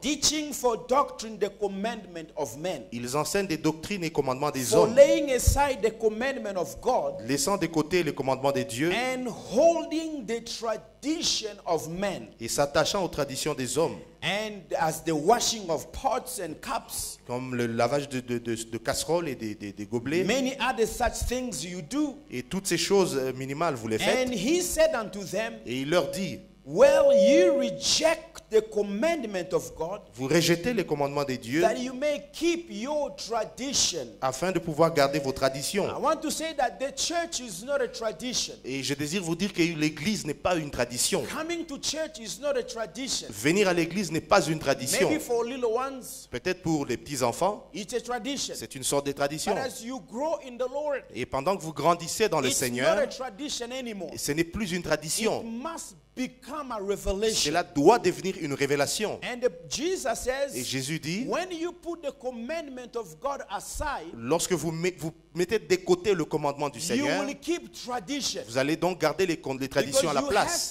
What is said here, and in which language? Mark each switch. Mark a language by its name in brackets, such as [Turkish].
[English] Teaching for doctrine the commandment of men. [French] Ils enseignent des doctrines et commandements des [English] for [French] hommes. [English] For laying aside the commandment of God. [French] Laissant de côté les commandements de Dieu. [English] And holding the tradition of men. [French] Et s'attachant aux traditions des hommes. [English] And as the washing of pots and cups. [French] Comme le lavage de casseroles et des gobelets. [English] Many other such things you do. [French] Et toutes ces choses minimales vous les faites. [English] And he said unto them. [French] Et il leur dit. [English] Well, you reject the commandment of God. [French] Vous rejetez les commandements de Dieu. [English] That you may keep your tradition. [French] Afin de pouvoir garder vos traditions. [English] I want to say that the church is not a tradition. [French] Et je désire vous dire que l'église n'est pas une tradition. [English] Coming to church is not a tradition. [French] Venir à l'église n'est pas une tradition. [English] Maybe for little ones. [French] Peut-être pour les petits enfants. [English] It's a tradition. [French] C'est une sorte de tradition. [English] But as you grow in the Lord. [French] Et pendant que vous grandissez dans le Seigneur. [English] It's not a tradition anymore. [French] Ce n'est plus une tradition. [English] It must become a revelation. [French] Cela doit devenir une révélation. [English] And Jesus says, [French] et Jésus dit, [English] when you put the commandment of God aside, [French] lorsque vous mettez de côté le commandement du Seigneur, [English] you will keep tradition. [French] Vous allez donc garder les traditions à la place.